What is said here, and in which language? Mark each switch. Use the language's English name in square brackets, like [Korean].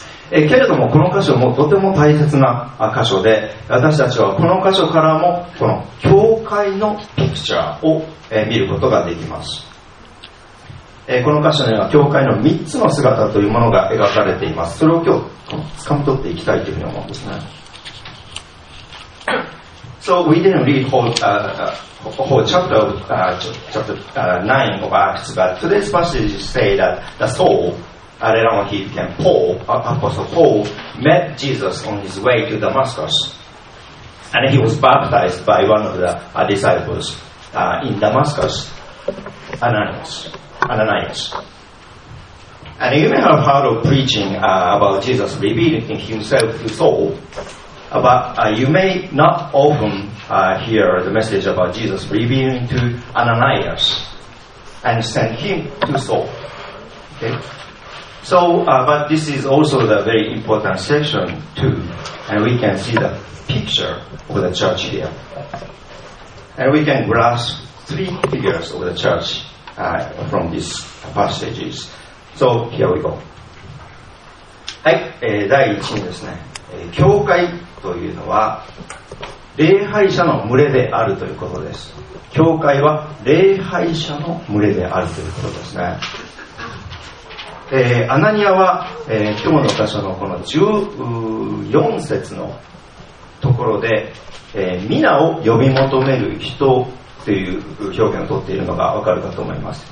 [Japanese] けれどもこの箇所もとても大切な箇所で、私たちはこの箇所からもこの教会のピクチャーを見ることができます。この箇所には教会の3つの姿というものが描かれています。それを今日掴み取っていきたいというふうに思うんですね。 [English] So we didn't read whole chapter, chapter 9 of Acts, but today's passage says that the soul, later on he became Paul, Apostle Paul, met Jesus on his way to Damascus, and he was baptized by one of the disciples in Damascus, Ananias. And you may have heard of preaching about Jesus revealing himself to Saul. But you may not often hear the message about Jesus revealing to Ananias and send him to Saul. Okay? So, but this is also the very important section too. And we can see the picture of the church here. And we can grasp three figures of the church from these passages. So, here we go. [Japanese] はい、第一にですね、教会というのは礼拝者の群れであるということです。教会は礼拝者の群れであるということですね。アナニアは、今日の箇所のこの14節のところで、皆を呼び求める人という表現をとっているのがわかるかと思います。